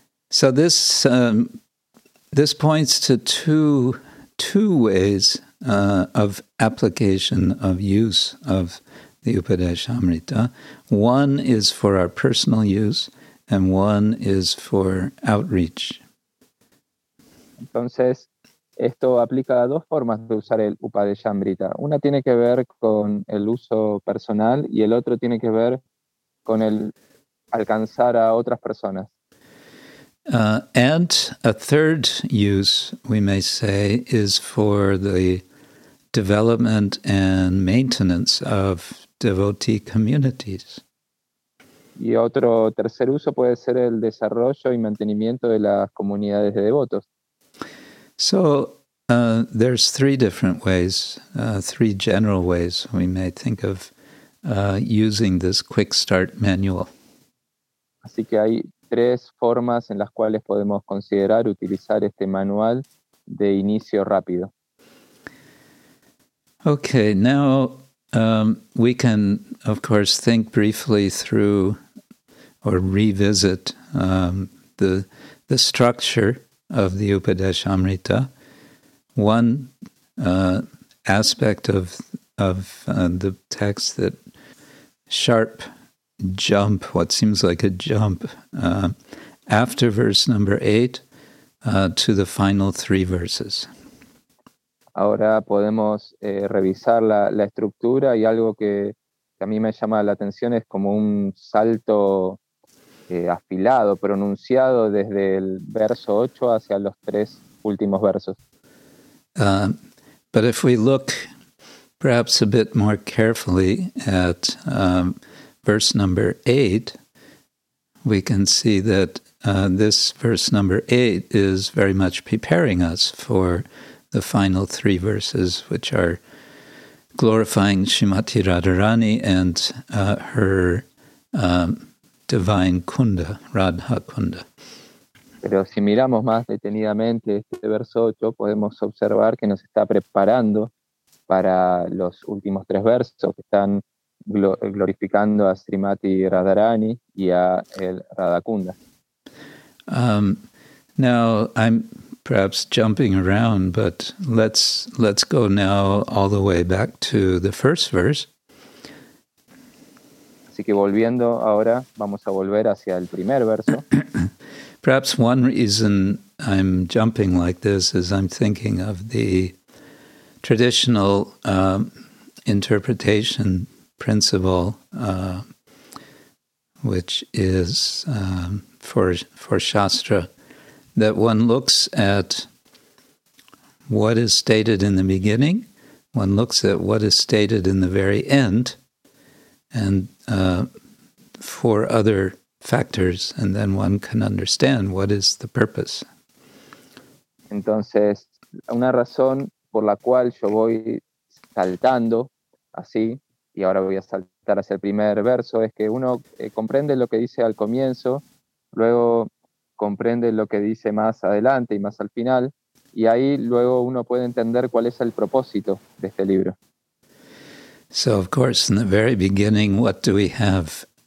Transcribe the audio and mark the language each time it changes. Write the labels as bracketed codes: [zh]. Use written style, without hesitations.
[en] So this points to two ways of application, of use of the Upadeshamrita. One is for our personal use, and one is for outreach. [es] Entonces, esto aplica a dos formas de usar el Upadeshamrita. Una tiene que ver con el uso personal, y el otro tiene que ver con el alcanzar a otras personas. [en] And a third use, we may say, is for the development and maintenance of devotee communities. [es] Y otro tercer uso puede ser el desarrollo y mantenimiento de las comunidades de devotos. [en] So there's three different ways, three general ways we may think of using this quick start manual. [es] Así que hay tres formas en las cuales podemos considerar utilizar este manual de inicio rápido. [en] Okay, now we can, of course, think briefly through or revisit the structure of the Upadeshamrita. One aspect of the text that sharp jump, what seems like a jump, after verse number 8 to the final three verses. [es] Ahora podemos revisar la estructura y algo que a mí me llama la atención es como un salto afilado, pronunciado desde el verso 8 hacia los tres últimos versos. [en] But if we look perhaps a bit more carefully at verse number 8, we can see that this verse number 8 is very much preparing us for the final three verses, which are glorifying Srimati Radharani and her divine kunda, Radha kunda. [es] Pero si miramos más detenidamente este verso 8, podemos observar que nos está preparando para los últimos tres versos que están glorificando a Srimati Radharani y a el Radhakunda. [en] Now I'm perhaps jumping around, but let's go now all the way back to the first verse. [es] Así que volviendo ahora, vamos a volver hacia el primer verso. [en] Perhaps one reason I'm jumping like this is I'm thinking of the traditional interpretation principle, which is for Shastra, that one looks at what is stated in the beginning, one looks at what is stated in the very end, and for other factors, and then one can understand what is the purpose. [es] Entonces, una razón por la cual yo voy saltando así, y ahora voy a saltar hacia el primer verso, es que uno comprende lo que dice al comienzo, luego comprende lo que dice más adelante y más al final, y ahí luego uno puede entender cuál es el propósito de este libro. [en] So, of course, in the very beginning, what do we have?